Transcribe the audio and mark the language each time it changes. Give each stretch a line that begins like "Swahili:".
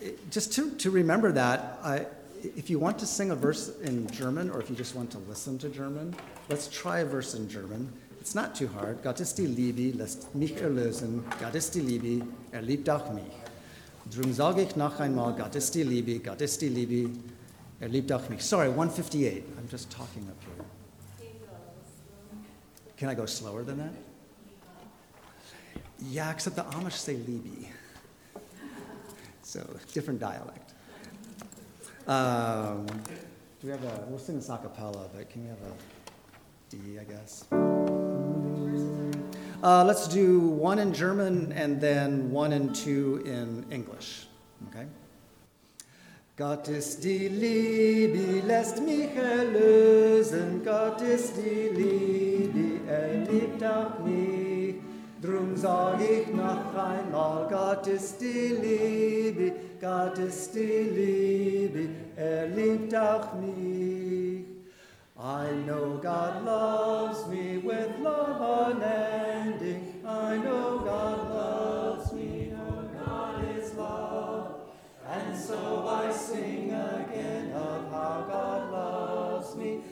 English: Just to remember that, if you want to sing a verse in German or if you just want to listen to German, let's try a verse in German. It's not too hard.
German: Gott ist die Liebe, lässt mich erlösen. Gott ist die Liebe, liebt auch mich. Drum sage ich noch einmal, Gott ist die Liebe, liebt auch mich.
English: Sorry, 158. I'm just talking up here. Can I go slower than that? Yeah, except the Amish say Liebe. So, different dialect. We'll sing this a cappella, but can we have a D, I guess? Let's do one in German and then one and two in English. Okay?
German: Gott ist die Liebe, lässt mich erlösen. Gott ist die Liebe, liebt auch mich. Drum sag ich noch einmal, Gott ist die Liebe, Gott ist die Liebe, liebt auch mich.
English: I know God loves me with love unending. I know God loves me, oh God is love. And so I sing again of how God loves me.